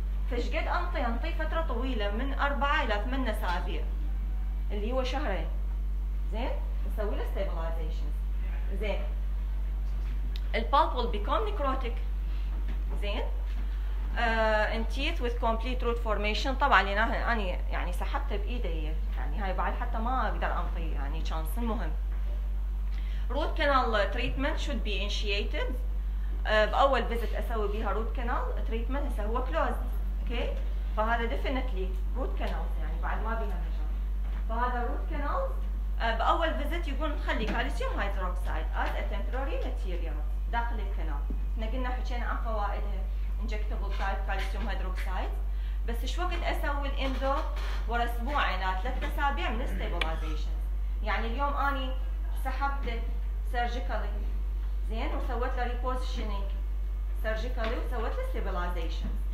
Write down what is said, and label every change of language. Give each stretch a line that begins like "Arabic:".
Arabic: فش قد انطي فتره طويله من 4 الى 8 اسابيع اللي هو شهرين، زين نسوي له ستابلايزيشن.
English: زين البالب will become necrotic, زين in teeth with complete root formation.
Arabic: طبعا انا يعني سحبته بايدي، يعني هاي بعد حتى ما اقدر انطي يعني شانس. المهم
English: root canal treatment should be initiated.
Arabic: بأول visit أسوي بها root canal treatment هسه هو closed.
English: Okay.
Arabic: فهذا definitely root canal يعني بعد ما بها نجاح. فهذا root canal بأول visit يكون تخلي calcium hydroxide
English: as a temporary material
Arabic: داخل الكنال. إحنا قلنا حكينا عن فوائده
English: injectable type calcium hydroxide.
Arabic: بس شو وقت أسوي الإندو ورا أسبوعين أو ثلاثة أسابيع من stabilization. يعني اليوم أني سحبت surgically زين وسويت له repositioning surgically وسويت له stabilization.